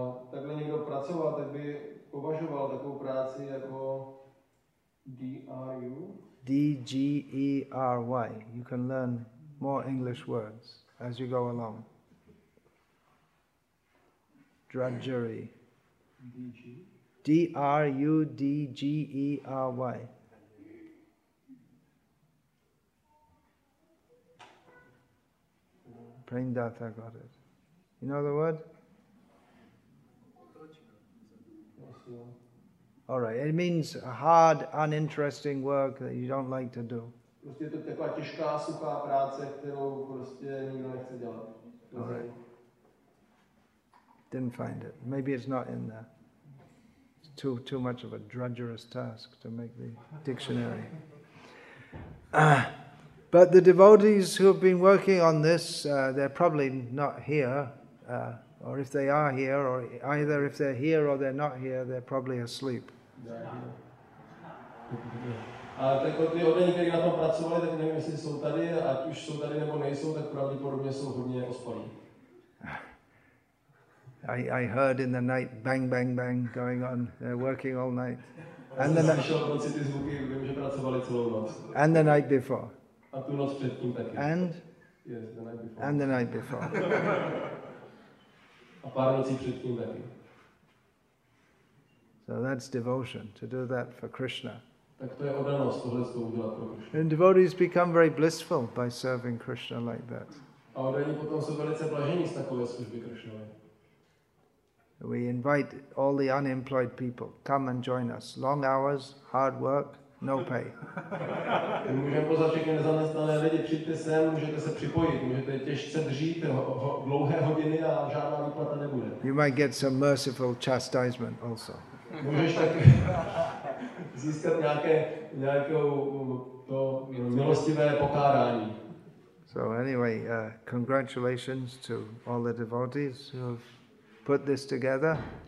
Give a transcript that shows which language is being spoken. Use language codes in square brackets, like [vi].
[cs] Takhle někdo pracoval, tak by považoval takovou práci jako D-R-U? [en] D-G-E-R-Y. You can learn more English words as you go along. Drudgery. D-R-U-D-G-E-R-Y. Prendata got it. You know the word? All right, it means a hard, uninteresting work that you don't like to do. [cs] Prostě je to taková těžká, suchá práce, kterou prostě nikdo nechce dělat. [en] All right. Didn't find it. Maybe it's not in there. It's too much of a drudgerous task to make the dictionary. But the devotees who have been working on this, they're probably not here. Or if they are here, or either if they're here or they're not here, they're probably asleep. [cs] Tak ty odvedení, kteří na tom pracovali, tak nevím, jestli jsou tady, ať už jsou tady nebo nejsou, tak pravděpodobně jsou hodně ospalí. [en] I heard in the night bang bang bang going on. They're working all night. And the night. [cs] Slyšel jsem ty zvuky, vím, že pracovali celou noc. [en] And the night before. [cs] A tu noc předtím taky. [en] And? Yes, the night before. And the night before. [cs] A pár nocí předtím taky. [en] So that's devotion, to do that for Krishna. [cs] Tak to je odanost tohle to udělat pro Krishnu. [en] And devotees become very blissful by serving Krishna like that. [cs] A oni potom jsou velice blažení z takové služby Krishnovi. [en] We invite all the unemployed people, come and join us. Long hours, hard work, no pay. [cs] Můžeme pozvat všechny nezaměstnané lidi, přijďte sem, můžete se připojit, můžete těžce dřít dlouhé hodiny a žádná výplata nebude. [en] You might get some merciful chastisement also. [cs] Můžeš tak získat nějakou milostivé pokárání. [en] So anyway, congratulations to all the devotees who have put this together.